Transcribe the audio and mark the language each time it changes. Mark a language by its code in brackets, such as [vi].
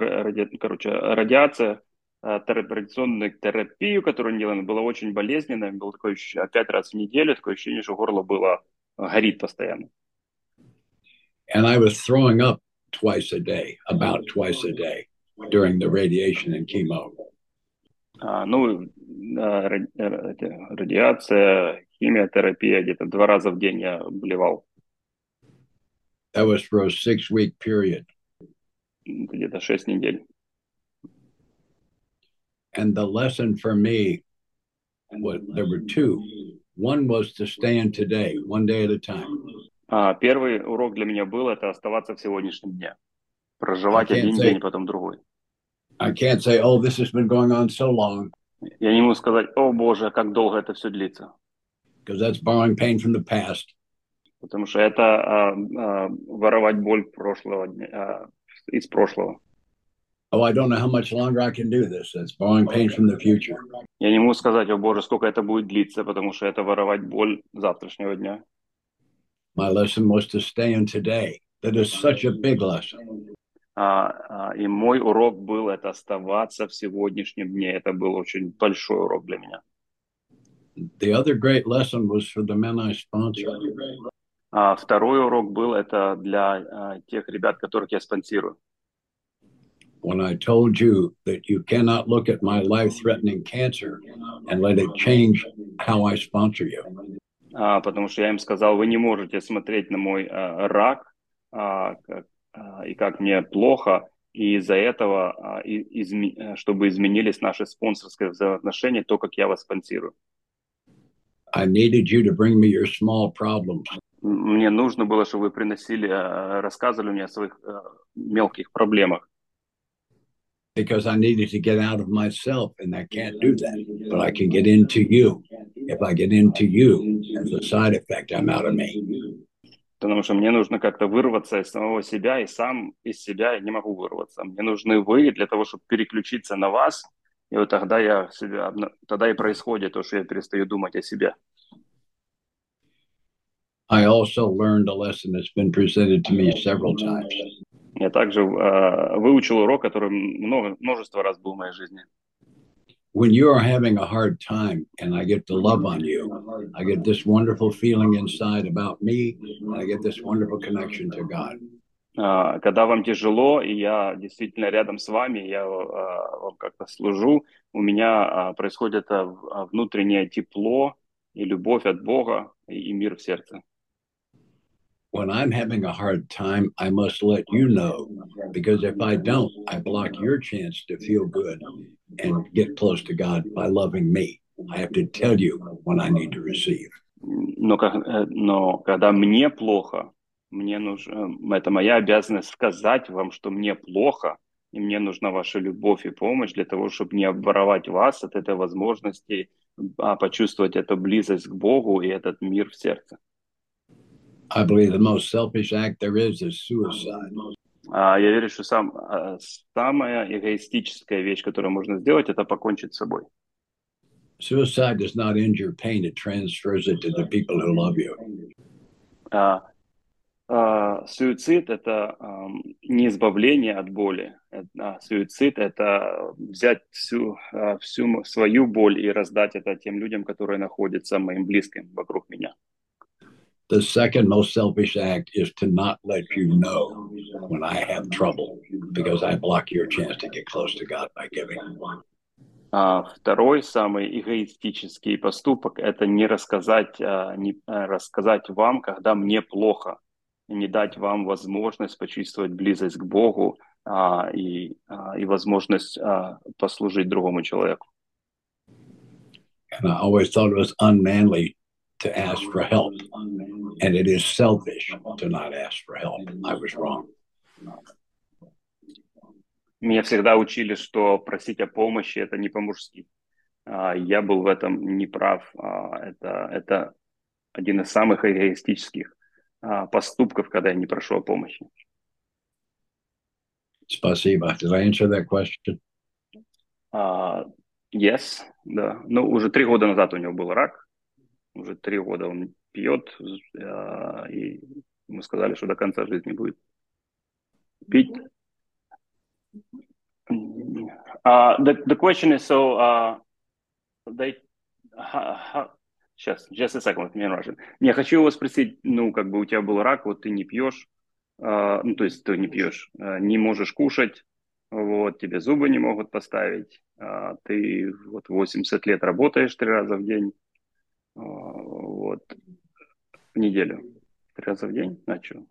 [ru] Радиация, радиационную терапию, которую делали, была очень болезненная. Было такое ощущение, 5 раз в неделю, такое ощущение, что горло было, горит постоянно. [en] And I was throwing up twice a day, about twice a day. During the radiation and chemo. [ru] Радиация, химиотерапия, где-то 2 раза в день я блевал. [en] That was for a 6-week period. [ru] Где-то 6 недель. [en] And the lesson for me, there were two. One was to stand today, one day at a time. [ru] Первый урок для меня был, это оставаться в сегодняшнем дне. Проживать один день, потом другой. [en] I can't say, oh, this has been going on so long. [ru] Я не могу сказать, о боже, как долго это все длится. [en] Because that's borrowing pain from the past. [ru] Потому что это воровать боль прошлого из прошлого. [en] Oh, I don't know how much longer I can do this. That's borrowing pain from the future. [ru] Я не могу сказать, о боже, сколько это будет длиться, потому что это воровать боль завтрашнего дня. [en] My lesson was to stay in today. That is such a big lesson. [ru] И мой урок был это оставаться в сегодняшнем дне. Это был очень большой урок для меня. [en] The other great lesson was for the men I sponsor. [ru] Второй урок был это для тех ребят, которых я спонсирую. [en] When I told you that you cannot look at my life-threatening cancer and let it change how I sponsor you. [ru] Потому что я им сказал, вы не можете смотреть на мой рак, и как мне плохо, и из-за этого, чтобы изменились наши спонсорские взаимоотношения, то, как я вас спонсирую. [en] I needed you to bring me your small problems. [ru] Мне нужно было, чтобы вы приносили, рассказывали мне о своих мелких проблемах. [en] Because I needed to get out of myself, and I can't do that. But I can get into you. If I get into you, as a side effect, I'm out of me. [ru] Потому что мне нужно как-то вырваться из самого себя, и сам из себя я не могу вырваться. Мне нужны вы для того, чтобы переключиться на вас, и вот тогда я себя, тогда и происходит то, что я перестаю думать о себе. [en] I also learned a lesson that's been presented to me several times. [ru] Я также выучил урок, который множество раз был в моей жизни. [en] When you are having a hard time and I get to love on you, I get this wonderful feeling inside about me, and I get this wonderful connection to God. [ru] Когда вам тяжело, и я действительно рядом с вами, я вам как-то служу, у меня происходит внутреннее тепло и любовь от Бога и мир в сердце. [en] When I'm having a hard time, I must let you know, because if I don't, I block your chance to feel good and get close to God by loving me. I have to tell you when I need to receive. [ru] Но когда мне плохо, мне нужно, это моя обязанность сказать вам, что мне плохо, и мне нужна ваша любовь и помощь для того, чтобы не обворовать вас от этой возможности, а почувствовать эту близость к Богу и этот мир в сердце. [en] I believe the most selfish act there is suicide. [ru] Я верю, что самая эгоистическая вещь, которую можно сделать, это покончить с собой. [en] Suicide does not end your pain, it transfers it to the people who love you. [ru] Суицид — это не избавление от боли. Суицид — это взять всю свою боль и раздать это тем людям, которые находятся моим близким вокруг меня. [en] The second most selfish act is to not let you know when I have trouble, because I block your chance to get close to God by giving. [ru] Второй самый эгоистический поступок — это не рассказать вам, когда мне плохо, не дать вам возможность почувствовать близость к Богу и возможность послужить другому человеку. [en] And I always thought it was unmanly to ask for help. And it is selfish to not ask for help. I was wrong. [ru] Меня всегда учили, что просить о помощи — это не по-мужски. Я был в этом неправ. Это один из самых эгоистических поступков, когда я не прошу о помощи. Спасибо. [en] Did I answer that question? Yes. [ru] Да. Ну, уже 3 года назад у него был рак. Уже 3 года он пьет, и мы сказали, что до конца жизни будет пить. [en] The question is, just a second, let me in Russian. [ru] Я хочу вас спросить, ну, как бы у тебя был рак, вот ты не пьешь, не можешь кушать, вот, тебе зубы не могут поставить, ты вот 80 лет работаешь 3 раза в день, вот. В неделю. 3 раза в день? А что?